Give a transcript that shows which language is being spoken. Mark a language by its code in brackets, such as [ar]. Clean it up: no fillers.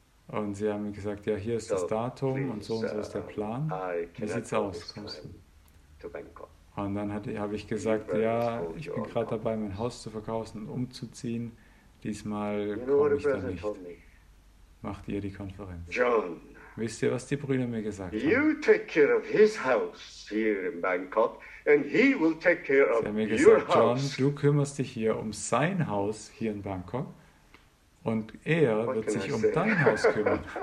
[de] Und sie haben gesagt, ja, hier ist das Datum und so ist der Plan. Wie sieht's aus? Kommst du? Und dann habe ich gesagt, ja, ich bin gerade dabei, mein Haus zu verkaufen und umzuziehen. Diesmal komme ich da nicht. Macht ihr die Konferenz. John, wisst ihr, was die Brüder mir gesagt haben? [en] You take care of his house here in Bangkok and he will take care of your house. [de] Sie haben mir gesagt, John, du kümmerst dich hier um sein Haus hier in Bangkok. Und er wird sich um dein Haus kümmern.